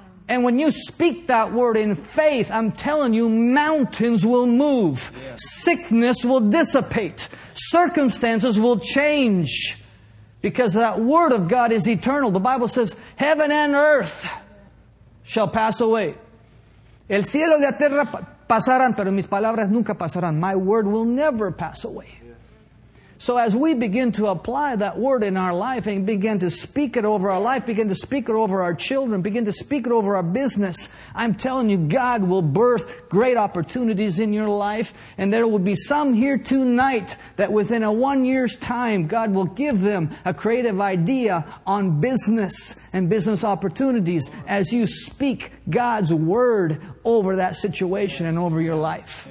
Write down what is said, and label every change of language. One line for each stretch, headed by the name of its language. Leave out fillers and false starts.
English: And when you speak that Word in faith, I'm telling you, mountains will move. Sickness will dissipate. Circumstances will change. Because that Word of God is eternal. The Bible says, heaven and earth shall pass away.
Spanish: El cielo y la tierra pasarán, pero mis palabras nunca pasarán.
English: My word will never pass away. So as we begin to apply that word in our life and begin to speak it over our life, begin to speak it over our children, begin to speak it over our business, I'm telling you, God will birth great opportunities in your life. And there will be some here tonight that within a 1 year's time, God will give them a creative idea on business and business opportunities as you speak God's word over that situation and over your life.